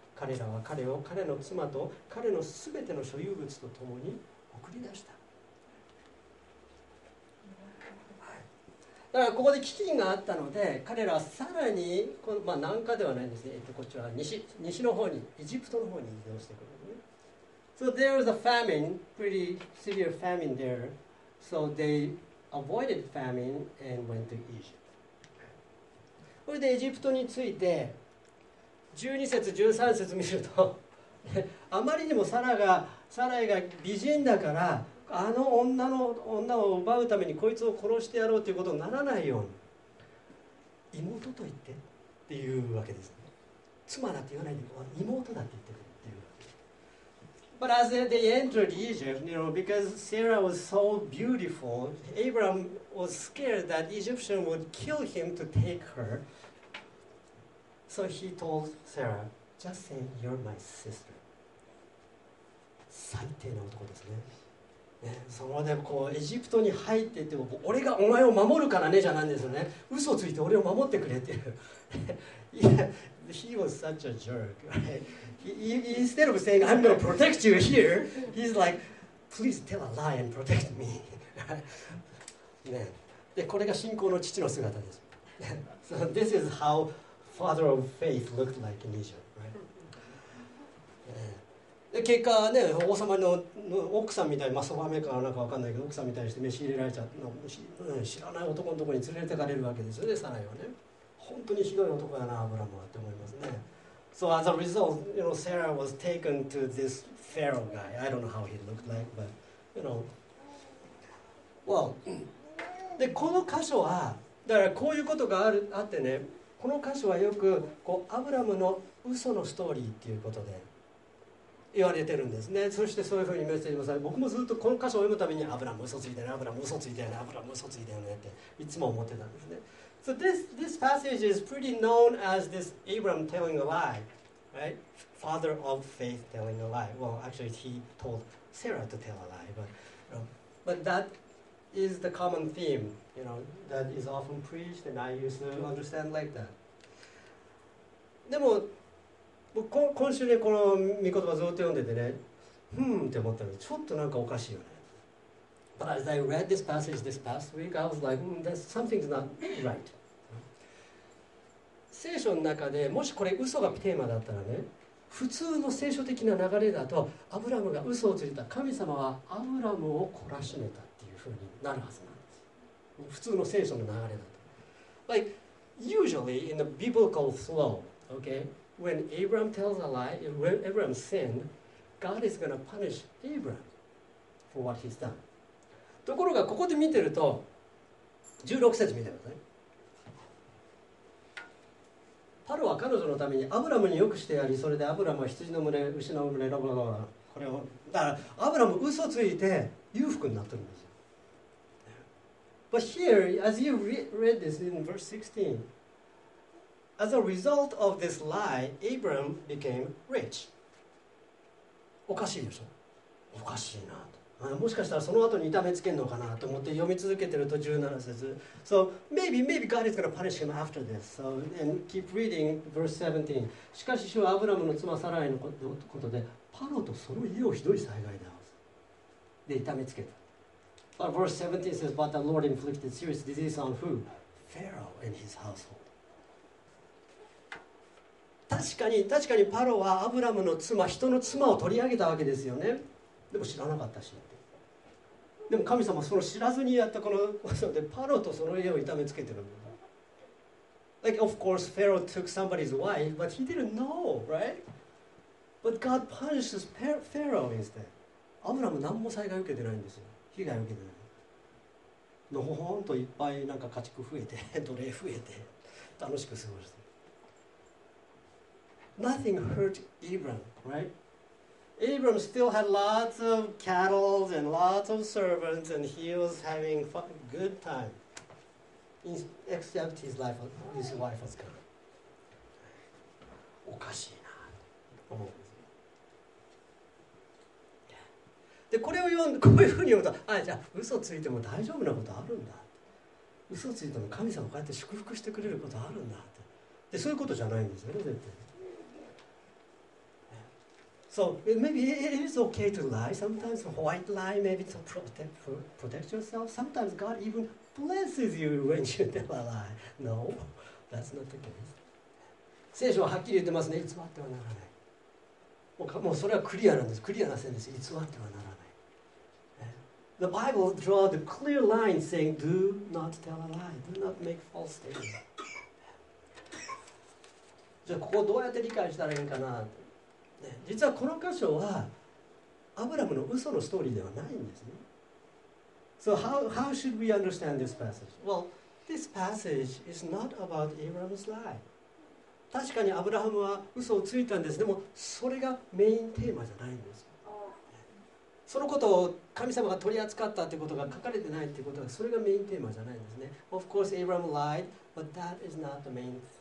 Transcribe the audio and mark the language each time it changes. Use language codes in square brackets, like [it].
[ja] 彼らは彼を彼の妻と彼のすべての所有物と共に送り出した。だからここで飢饉があったので、彼らはさらに、まあ、南下ではないんですね。こっちは西の方に、エジプトの方に移動してくる、ね。 [en] So there was a famine, pretty severe famine there. So they avoided famine and went to Egypt. [ja] これでエジプトについて、12節、13節見ると、あまりにもサライが美人だから、あの女を奪うためにこいつを殺してやろうということにならないように妹と言ってっていうわけですね。妻だって言わないで妹だって言ってるっていう。 [en] But as they entered Egypt, you know, because Sarah was so beautiful, Abraham was scared that Egyptian would kill him to take her. So he told Sarah, just say you're my sister. [ja] 最低な男ですね。ね、そのでこうエジプトに入っていても、俺がお前を守るからねじゃないんですよね。嘘をついて俺を守ってくれっていう。 [en] Yeah, he was such a jerk. Instead of saying I'm going to protect you here, he's like, please tell a lie and protect me. [ja] ね、でこれが信仰の父の姿です。 [en] So this is how father of faith looked like in Egypt. [ja] で結果ね、王様の奥さんみたいに、まあ、そばめかなんか分かんないけど、奥さんみたいにして召し入れられちゃうの、知らない男のところに連れてかれるわけですよね、サライはね。本当にひどい男だな、アブラムはって思いますね。 [en] So as a result, you know, Sarah was taken to this Pharaoh guy. I don't know how he looked like, but, you know. [ja] Well, で、この箇所は、だからこういうことがあってね、この箇所はよくこうアブラムの嘘のストーリーっていうことで、言われてるんですね。そしてそういうふうにメッセージもされて、僕もずっとこの箇所を読むたびに、アブラム嘘ついたよね、アブラム嘘ついたよね、アブラム嘘ついたよねっていつも思ってたんですね。 [en] So this passage is pretty known as this Abraham telling a lie, right? Father of faith telling a lie. Well, actually he told Sarah to tell a lie, but that is the common theme, you know, that is often preached and I used to understand like that. [ja] でも今週ね、この御言葉ずっと読んでてね、ふーんって思ったのに、ちょっとなんかおかしいよね。 [en] But as I read this passage this past week, I was like, something's not right. [ja] 聖書の中で、もしこれ嘘がテーマだったらね、普通の聖書的な流れだと、アブラムが嘘をついた、神様はアブラムを懲らしめたっていうふうになるはずなんです。普通の聖書の流れだと。 [en] Like, usually in the biblical flow, okay? When Abraham tells a lie, when Abraham sinned, God is going to punish Abraham for what he's done. [ja] ところがここで見てると、16節見てください。パロは彼女のためにアブラムによくしてやり、それでアブラムは羊の群れ、牛の群れ、ロバロバ、これを、だからアブラム嘘ついて裕福になってるんですよ。 [en] But here, as you read this in verse 16,As a result of this lie, Abraham became rich. [ja] おかしいでしょ。おかしいなと。もしかしたらその後に痛めつけるのかなと思って読み続けてると17節。 [en] So maybe God is going to punish him after this. So and keep reading verse 17. [ja] しかし主はアブラムの妻サライのことでパロとその家をひどい災害で遭わせ。で痛めつけた。 [en] But verse 17 says, But the Lord inflicted serious disease on who? Pharaoh and his household. [ja] 確かにパロはアブラムの妻、人の妻を取り上げたわけですよね。でも知らなかったし。でも神様はその知らずにやったこの場所でパロとその家を痛めつけてる。 [en] Like, of course, Pharaoh took somebody's wife, but he didn't know, right? But God punishes Pharaoh instead. [ja] アブラム何も災害受けてないんですよ。被害受けてない。のほほんといっぱいなんか家畜増えて、奴隷増えて、楽しく過ごして。 [en] nothing hurt Abram, right? Abram still had lots of cattle and lots of servants, and he was having a good time, except his life, his wife was gone. [ja] おかしいな。で、 これを読んで、こういうふうに読むと、あ、じゃあ嘘ついても大丈夫なことあるんだ。嘘ついても神様こうやって祝福してくれることあるんだって。で、そういうことじゃないんですよね、絶対。 [en] So, maybe it is okay to lie sometimes. White lie, maybe to protect yourself. Sometimes God even blesses you when you never lie. No, that's not the case. [ja] 聖書ははっきり言ってますね。偽ってはならない。もうそれはクリアなんです。クリアな線です。偽ってはならない。 [en] The Bible draws the clear line saying, do not tell a lie. Do not make false statements. [ja] じゃあ、ここをどうやって理解したらいいかな、ね、実はこの箇所は、アブラムの嘘のストーリーではないんですね。 [en] So how should we understand this passage? Well, this passage is not about Abraham's lie. [ja] 確かにアブラハムは嘘をついたんです。でも、それがメインテーマじゃないんです。そのことを神様が取り扱ったってことが書かれてないってことが、それがメインテーマじゃないんですね。 [en] Of course, Abraham lied, but that is not the main theme here.